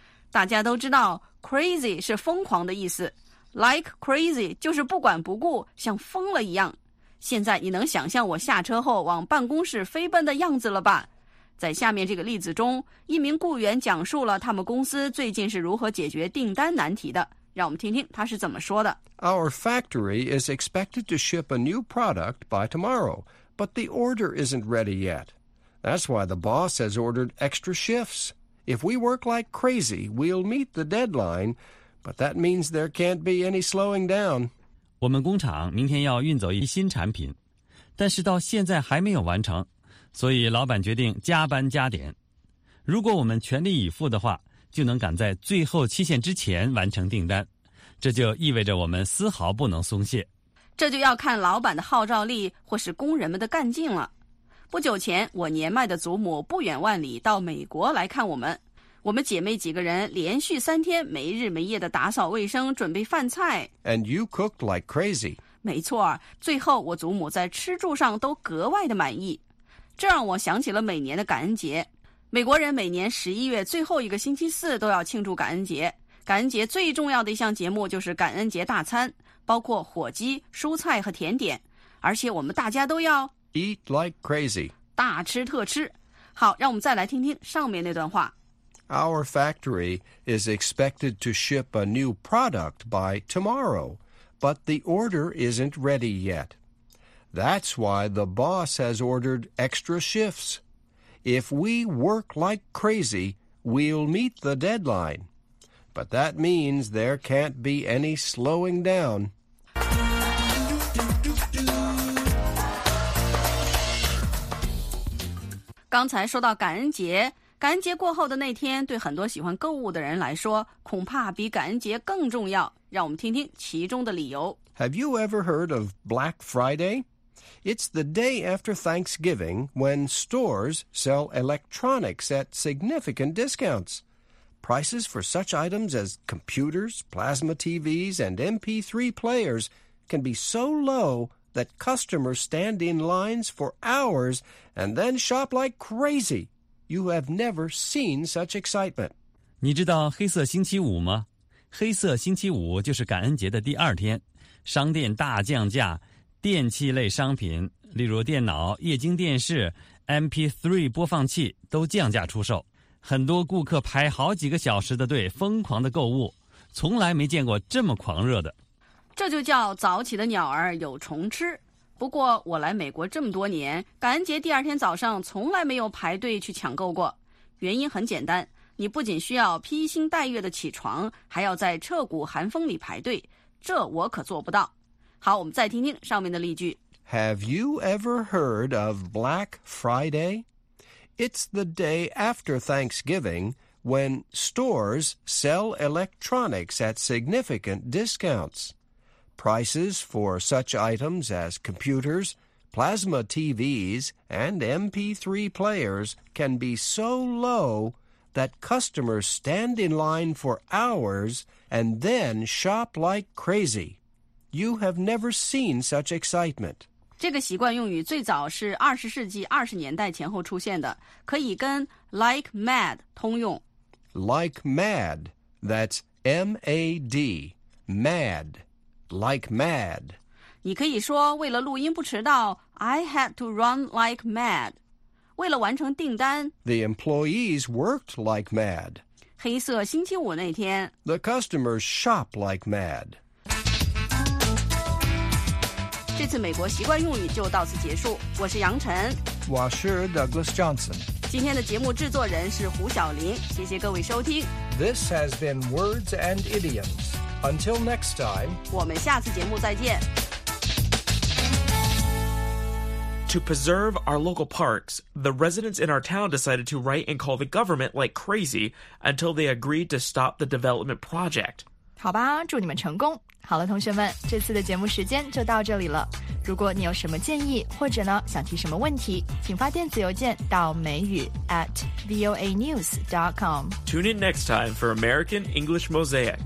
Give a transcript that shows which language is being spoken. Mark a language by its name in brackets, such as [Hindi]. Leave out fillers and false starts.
[Chinese] 大家都知道 crazy 是疯狂的意思。Like crazy 就是不管不顾，像疯了一样。现在你能想象我下车后往办公室飞奔的样子了吧？在下面这个例子中，一名雇员讲述了他们公司最近是如何解决订单难题的。让我们听听他是怎么说的。 [English] Our factory is expected to ship a new product by tomorrow. But the order isn't ready yet. That's why the boss has ordered extra shifts. If we work like crazy, we'll meet the deadline. But that means there can't be any slowing down. [Chinese] 我们工厂明天要运走一新产品，但是到现在还没有完成，所以老板决定加班加点。如果我们全力以赴的话，就能赶在最后期限之前完成订单。这就意味着我们丝毫不能松懈。这就要看老板的号召力或是工人们的干劲了。不久前，我年迈的祖母不远万里到美国来看我们。我们姐妹几个人连续3天没日没夜的打扫卫生，准备饭菜。 [English] And you cooked like crazy. [Chinese] 没错，最后我祖母在吃住上都格外的满意。这让我想起了每年的感恩节。美国人每年11月最后一个星期四都要庆祝感恩节。感恩节最重要的一项节目就是感恩节大餐，包括火鸡、蔬菜和甜点。而且我们大家都要 [English] Eat like crazy， [Chinese] 大吃特吃。好，让我们再来听听上面那段话。 [English] Our factory is expected to ship a new product by tomorrow, but the order isn't ready yet. That's why the boss has ordered extra shifts. If we work like crazy, we'll meet the deadline. But that means there can't be any slowing down. [Chinese] 感恩节过后的那天，对很多喜欢购物的人来说，恐怕比感恩节更重要。让我们听听其中的理由。 [English] Have you ever heard of Black Friday? It's the day after Thanksgiving when stores sell electronics at significant discounts. Prices for such items as computers, plasma TVs, and MP3 players can be so low that customers stand in lines for hours and then shop like crazy. You have never seen such excitement. [Chinese] 你知道黑色星期五吗？黑色星期五就是感恩节的第二天，商店大降价，电器类商品，例如电脑、液晶电视、MP3 播放器都降价出售。很多顾客排好几个小时的队，疯狂的购物，从来没见过这么狂热的。这就叫早起的鸟儿有虫吃。不过我来美国这么多年，感恩节第二天早上从来没有排队去抢购过。原因很简单，你不仅需要披星戴月的起床，还要在彻骨寒风里排队，这我可做不到。好，我们再听听上面的例句。 Have you ever heard of Black Friday? It's the day after Thanksgiving when stores sell electronics at significant discounts. Prices for such items as computers, plasma TVs, and MP3 players can be so low that customers stand in line for hours and then shop like crazy. You have never seen such excitement. 这个习惯用语最早是20世纪20年代前后出现的，可以跟 like mad 通用。 [English] Like mad, that's M-A-D, mad. Like mad. [Chinese] 你可以说为了录音不迟到 [English] I had to run like mad. [Chinese] 为了完成订单 [English] The employees worked like mad. [Chinese] 黑色星期五那天 [English] The customers shop like mad. [Chinese] 这次美国习惯用语就到此结束。我是杨晨。我是 Douglas Johnson. 今天的节目制作人是胡晓林。谢谢各位收听。 [English] This has been Words and Idioms. Until next time, [Chinese] 我们下次节目再见。 [English] To preserve our local parks, the residents in our town decided to write and call the government like crazy until they agreed to stop the development project. [Chinese] 好吧，祝你们成功。好了，同学们，这次的节目时间就到这里了。如果你有什么建议，或者呢想提什么问题，请发电子邮件到美语@voanews.com. [English] Tune in next time for American English Mosaic.